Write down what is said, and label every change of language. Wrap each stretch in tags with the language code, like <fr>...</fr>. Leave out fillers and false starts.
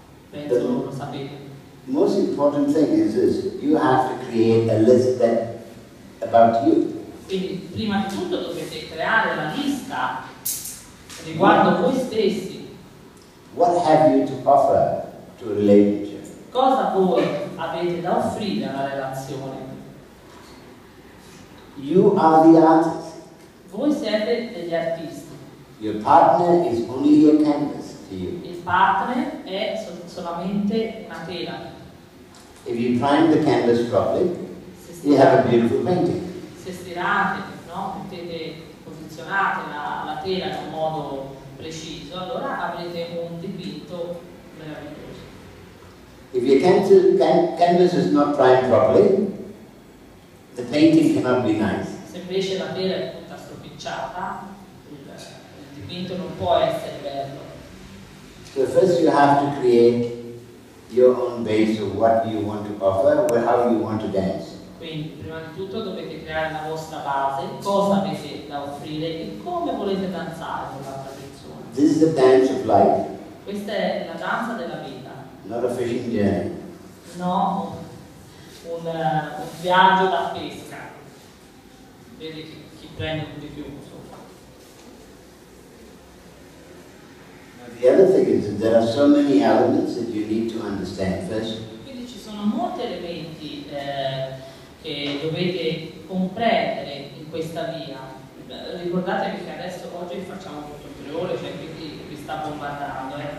<en>The most important thing is you have to create a list that about you.</en> <it>Quindi prima di tutto dovete creare la lista riguardo voi stessi.</it> <en>What have you to offer to a relationship?</en> <it>Cosa voi avete da offrire alla relazione?</it> <en>You are the artist.</en> <it>Voi siete degli artisti.</it> <en>Your partner is only your canvas to you.</en> <it>Il partner è solamente una tela.</it> <en>If you prime the canvas properly, you have a beautiful painting.</en> <it>Se stirate, no? Mettete, posizionate la tela in un modo preciso, allora avrete un dipinto meraviglioso.</it> <en>If your canvas is not primed properly, the painting cannot be nice.</en> <it>Se invece la tela è tutta stropicciata, il dipinto non può essere bello.</it> <en>So first you have to create your own base of what you want to offer, or how you want to dance.</en> <it>Quindi, prima di tutto dovete creare la vostra base, cosa avete da offrire e come volete danzare con l'altra persona.</it> <en>This is the dance of life.</en> <it>Questa è la danza della vita.</it> <en>Not a fishing journey.</en> <it>No, un viaggio da pesca. Vedi chi prende un di più.</it> <en>The other thing is that there are so many elements that you need to understand first.</en> <it>Quindi ci sono molti elementi che dovete comprendere in questa via. Ricordatevi che adesso oggi facciamo tutto in 3 ore, cioè quindi vi sta bombardando.</it>